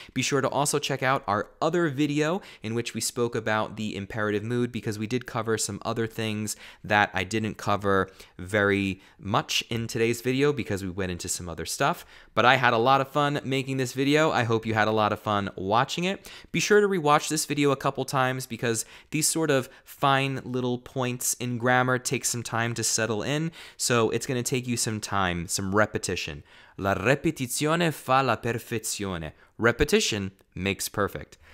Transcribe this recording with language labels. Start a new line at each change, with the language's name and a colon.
English: Be sure to also check out our other video in which we spoke about the imperative mood, because we did cover some other things that I didn't cover very much in today's video because we went into some other stuff. But I had a lot of fun making this video. I hope you had a lot of fun watching it. Be sure to rewatch this video a couple times because these sort of fine little points in grammar take some time to settle in. So it's going to take you some time, some repetition.
Italian: La repetizione fa la perfezione.
English: Repetition makes perfect.